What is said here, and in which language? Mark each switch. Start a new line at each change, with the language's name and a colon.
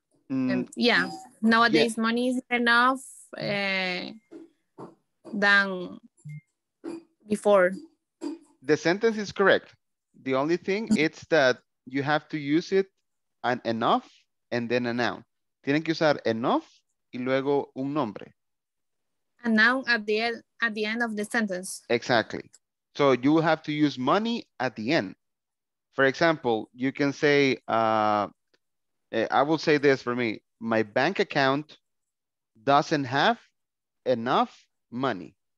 English: Yeah, nowadays yeah. Money is enough than before. The sentence is correct. The only thing it's that you have to use it an enough and then a noun.
Spanish: Tienen que usar enough y luego un nombre.
English: A noun at the end of the sentence. Exactly. So you have to use money at the end. For example, you can say, I will say this for me. My bank account doesn't have enough money.